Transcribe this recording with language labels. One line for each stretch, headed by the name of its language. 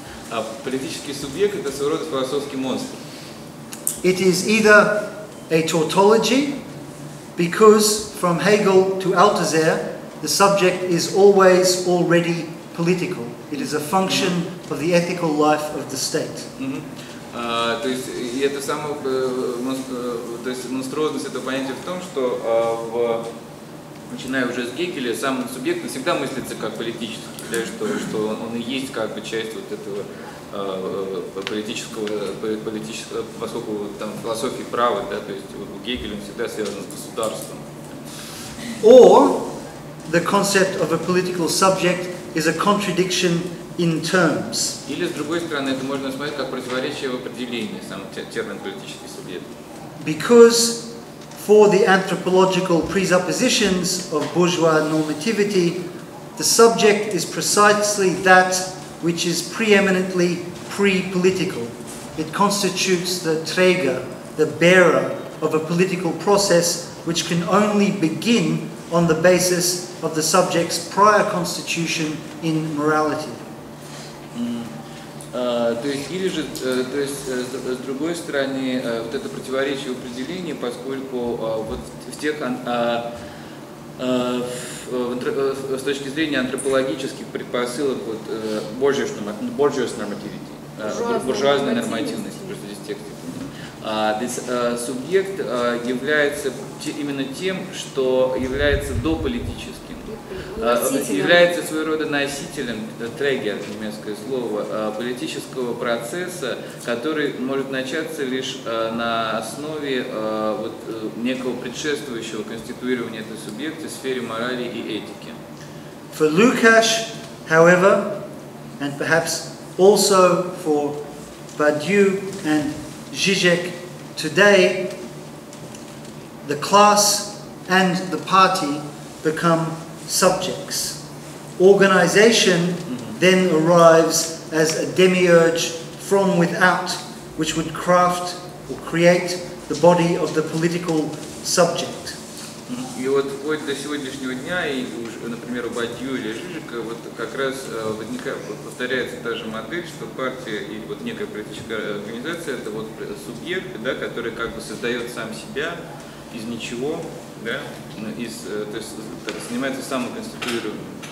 Russian: А политический субъект — это своего рода философский монстр.
English: It is either a tautology, because from Hegel to Althusser, the subject is always already political. It is a function of the ethical life of the state.
Russian: То есть, и это самое, то есть монструозность этого понятия в том, что начиная уже с Гегеля, сам субъект всегда мыслится как политический, да, что он и есть как бы часть вот этого политического, поскольку там философия права, да, то есть вот Гегель, он всегда связан с государством.
English: Or the concept of a political subject is a contradiction in terms.
Russian: Или с другой стороны, это можно смотреть как противоречие в определении, сам термин политический субъект.
English: Because for the anthropological presuppositions of bourgeois normativity, the subject is precisely that which is preeminently pre-political. It constitutes the Träger, the bearer of a political process which can only begin on the basis of the subject's prior constitution in morality.
Russian: То есть, или же, то есть, с другой стороны, вот это противоречие в определении, поскольку вот в тех, с точки зрения антропологических предпосылок вот буржуазной нормативности, просто здесь текст. Субъект является именно тем, что является дополитическим, является своего рода носителем, трегер, немецкое слово, политического процесса, который может начаться лишь на основе вот, некого предшествующего конституирования этого субъекта в сфере морали и этики.
English: For Lukács, however, and perhaps also for Badiou and Žižek, today, the class and the party become subjects. Organization then arrives as a demiurge from without, which would craft or create the body of the political subject.
Russian: И вот вплоть до сегодняшнего дня, и уже, например, у Бадью или Жижика, вот как раз возникает, повторяется та же модель, что партия или вот некая политическая организация — это вот субъект, да, который как бы создает сам себя из ничего, да, то есть занимается самоконституированием.